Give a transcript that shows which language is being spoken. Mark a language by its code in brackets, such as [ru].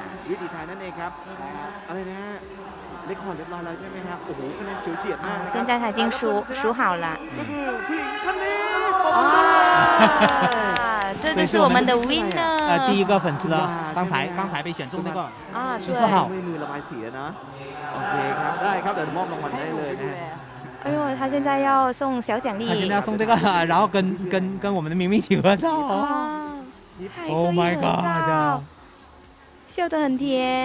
[th] วิถีไทยนั่นเองครับอะไรนะฮะเรคคอร์ดเรียบร้อยแล้วใช่ไหมครับโอ้โหคะแนนเฉียวเฉียดมาก ตอนนี้ไทยจิ้งสู้ [zh] 好了 [th] ผู้หญิงท่านนี้ [zh] อ้า这就是我们的 winner 第一个粉丝刚才被选中那个14号 [th] ไม่มือระบายสีนะโอเคครับได้ครับเดี๋ยวมอบรางวัลได้เลยนะ [zh] 哎呦他现在要送小奖励他现在要送这个然后跟我们的明明请合照哦 [en] Oh my god [zh] 笑得很甜